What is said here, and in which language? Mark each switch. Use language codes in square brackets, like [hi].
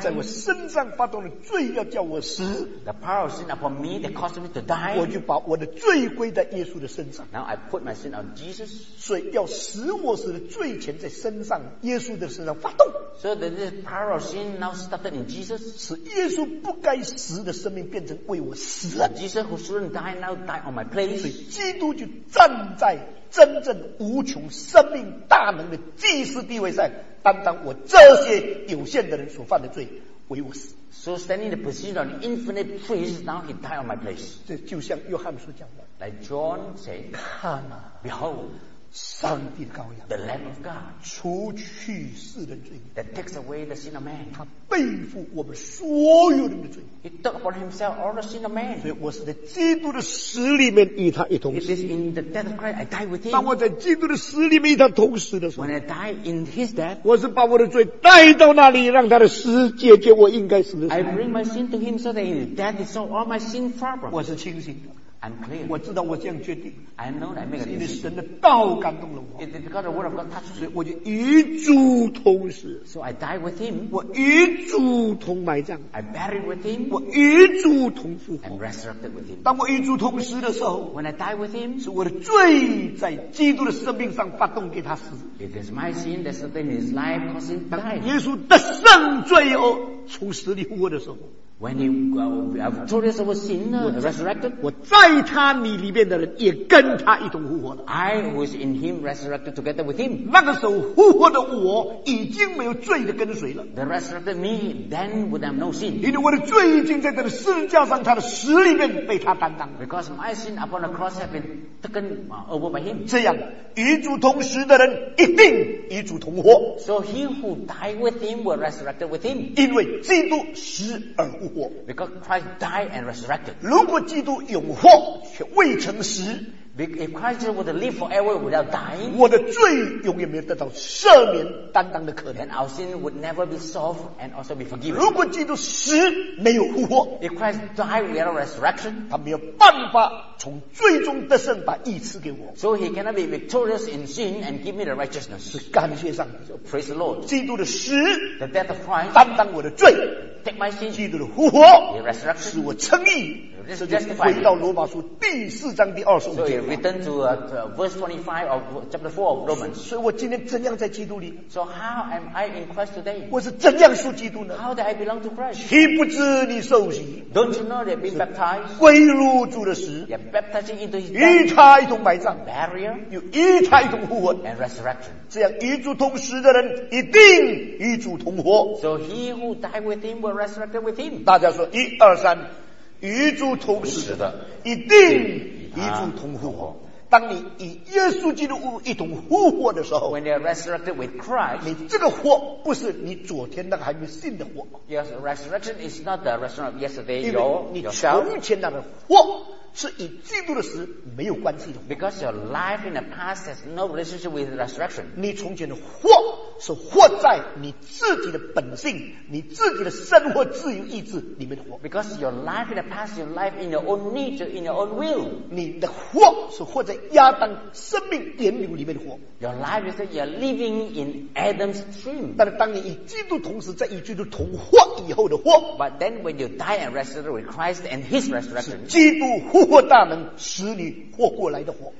[zh] 在我身上发动的罪要叫我死。 [en] The power of sin upon me that caused me to die. [zh] 我就把我的罪归在耶稣的身上。 [en] Now I put my sin on Jesus. [zh] 所以要使我死的罪权在身上，耶稣的身上发动。 [en] So that the power of sin now started in Jesus. [zh] 使耶稣不该死的生命变成为我死了。 [en] So、Jesus who shouldn't die now die on my place. [zh] 所以基督就站在。真正无穷生命大能的祭司地位上，担当我这些有限的人所犯的罪，为我死。 [en] So standing in the position of the infinite priest, now he died on my place. [zh] 这就像约翰所讲的。 [en] Like John said, [zh] 看啊 [en] ，Behold, [zh] 上帝的羔羊 [en] ，The Lamb of God, [zh] 除去世人罪 [en] ，That takes away the sin of man. [zh] 他背负我们所有人的罪。 [en] He took upon himself all the sin of man. [zh] 所以我是在基督的死里面与他一同死。 [en] It is in the death of Christ I die with him. [zh] 当我在基督的死里面与他同死的时候 [en] ，When I die in his death, [zh] 我是把我的罪带到那里，让他的死解决我应该死的罪。 [en] I bring my sin to him so that in death he saw all my sin problem. [zh] 我是清醒的。 [en] I'm clear. [zh] 我知道我这样决定 [en] I know that I make a decision. [zh] 是因为神的道感动了我 [en] It's because the word of God touched me. [zh] 所以我就与主同死 [en] So I die with him. [zh] 我与主同埋葬 [en] I bury with him. [zh] 我与主同复活 [en] I'm resurrected with him. [zh] 当我与主同死的时候 [en] When I die with him. [zh] 是我的罪在基督的生命上发动给他死 [en] It is my sin that sustained his life causing him to die. [zh] 耶稣的圣罪哦从死里复活的时候 [en] When he victorious over sin, resurrected, [zh] 我在他你里面的人也跟他一同复活了。 [en] I was in him resurrected together with him. [zh] 那个时候复活的我已经没有罪的跟随了。 [en] The resurrected me then would have no sin. [zh] 因为我的罪已经在他的十字架上，他的死里面被他担当。 [en] Because my sin upon the cross have been taken over by him. [zh] 这样与主同死的人一定与主同活。 [en] So he who died with him were resurrected with him. [zh] 因为基督死而。 [en] Because Christ died and resurrected. [zh] 如果基督永活却未曾死 [en] ，If Christ would live forever without dying, [zh] 我的罪永远没有得到赦免担当的可能 [en] ，and our sin would never be solved and also be forgiven. [zh] 如果基督死没有复活 [en] ，If Christ died without resurrection, [zh] 他没有办法从最终得胜把义赐给我 [en] ，so he cannot be victorious in sin and give me the righteousness. [zh] 是感谢上帝 [en] ，so praise the Lord. [zh] 基督的死 [en] ，the death of Christ, [zh] 担当我的罪。 [en] Take my sin, [zh] 基督的复活使我称义回到罗马书第四章第二十五节 [en] so you return to verse 25 of chapter 4 of Romans [zh] 所以我今天怎样在基督里 [en] so how am I in Christ today [zh] 我是怎样属基督呢 [en] how do I belong to Christ [zh] 岂不知你受洗 [en] don't you know that being baptized [zh] 归入主的时 [en] you're baptizing into his body [zh] 与他一同埋葬 [en] burial [zh] 又与他一同复活 [en] and resurrection [zh] 这样与主同死的人一定与主同活 [en] so he who died with him were resurrected with him [zh] 大家说一二三与主同死的一定与主同复活当你与耶稣基督一同复活的时候 [en] When you are resurrected with Christ [zh] 你这个活不是你昨天那个还没信的活 [en] Yes, resurrection is not the resurrection of yesterday [zh] 因为你从前那个活是与基督的死没有关系的 [en] Because your life in the past has no relationship with resurrection [zh] 你从前的活是活在你自己的本性，你自己的生活自由意志里面的活。 [en] Because your life in the past, your life in your own nature, in your own will. [zh] 你的活是活在亚当生命源流里面的活。 [en] Your life is that you're living in Adam's stream. [zh] 但是当你与基督同时，在与基督同活以后的活。 [en] But then when you die and rest with Christ and His resurrection. [zh] 是基督复活大能使你活过来的活。